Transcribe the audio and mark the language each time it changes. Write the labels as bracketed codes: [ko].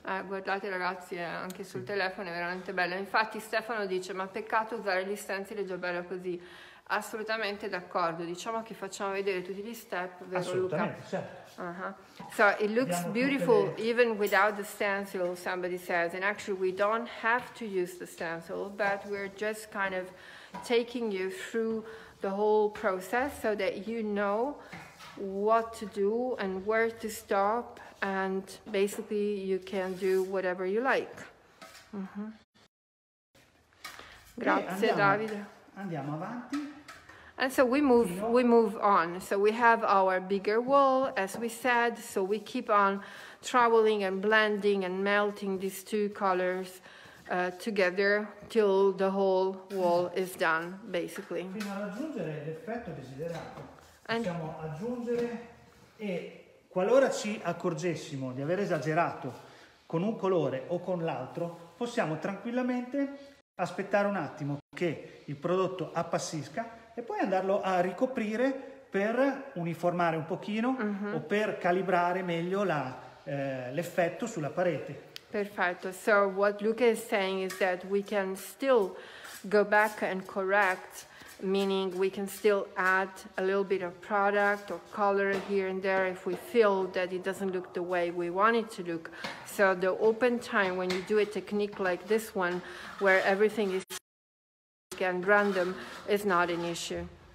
[it] Guardate ragazzi, anche sul telefono è veramente bello. Infatti Stefano dice, ma peccato usare gli stencil, è già bello così. Assolutamente d'accordo. Diciamo che facciamo vedere tutti gli step, vero Assolutamente, Luca? Assolutamente, certo. [en] So it looks beautiful even without the stencil, somebody says. And actually we don't have to use the stencil, but we're just kind of taking you through the whole process so that you know what to do and where to stop, and basically you can do whatever you like. [it] Grazie Davide. Andiamo avanti. [en] And so we move on. So we have our bigger wall, as we said, so we keep on traveling and blending and melting these two colors together till the whole wall is done, basically. [it] Fino a raggiungere l'effetto desiderato. Possiamo aggiungere, e qualora ci accorgessimo di aver esagerato con un colore o con l'altro, possiamo tranquillamente aspettare un attimo che il prodotto appassisca e poi andarlo a ricoprire per uniformare un pochino o per calibrare meglio l'effetto sulla parete. Perfetto. [en] So what Luca is saying is that we can still go back and correct, meaning we can still add a little bit of product or color here and there if we feel that it doesn't look the way we want it to look. So the open time, when you do a technique like this one, where everything is again random, is not an issue.